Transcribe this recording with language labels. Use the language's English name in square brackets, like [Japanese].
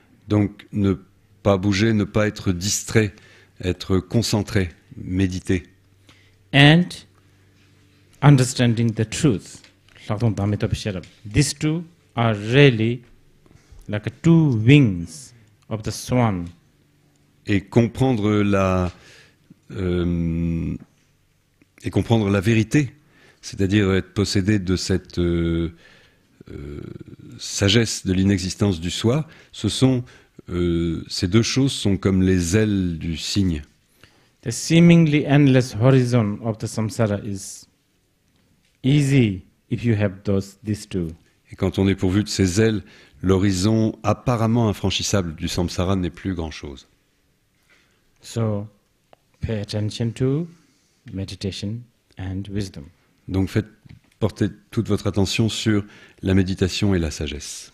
[French] Donc ne pas bouger, ne pas être distrait, être concentré. Méditer. [English] And understanding the truth. These two are really like two wings of the swan. [French] Et comprendre la vérité, c'est-à-dire être possédé de cette sagesse de l'inexistence du soi, ces deux choses sont comme les ailes du cygne. [English] The seemingly endless horizon of the samsara is easy if you have these two. [French] Et quand on est pourvu de ces ailes, l'horizon apparemment infranchissable du samsara n'est plus grand-chose. [English] So, pay attention to meditation and wisdom. [French] Donc portez toute votre attention sur la méditation et la sagesse.